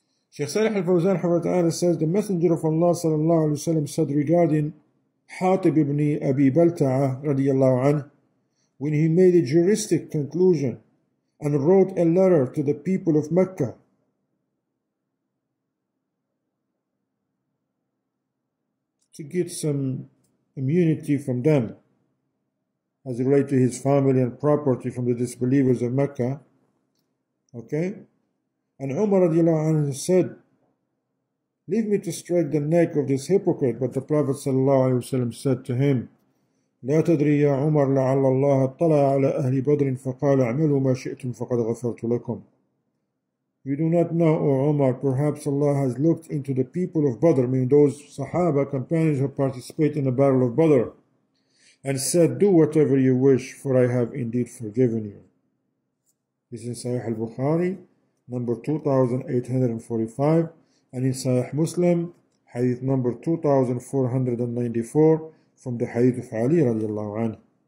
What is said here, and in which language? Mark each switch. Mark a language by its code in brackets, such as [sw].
[en] Shaykh Salih al-Fawzan says, the Messenger of Allah sallallahu alayhi wa sallam said regarding Hatib ibn Abi Balta'a radiallahu anhu, when he made a juristic conclusion and wrote a letter to the people of Mecca, to get some immunity from them as it related to his family and property from the disbelievers of Mecca. Okay? And Umar radiallahu anhu said, leave me to strike the neck of this hypocrite. But the Prophet sallallahu alayhi wa sallam said to him, [ar] لا تدري يا عمر لعل الله اطلع على أهل بدر فقال اعملوا ما شئتم فقد غفرت لكم. [en] You do not know, O Umar, perhaps Allah has looked into the people of Badr, meaning those Sahaba, companions who participate in the battle of Badr, and said, do whatever you wish, for I have indeed forgiven you. This is in Sahih al-Bukhari, number 2845, and in Sahih Muslim, Hadith number 2494, from the Hadith of Ali radiallahu anhu.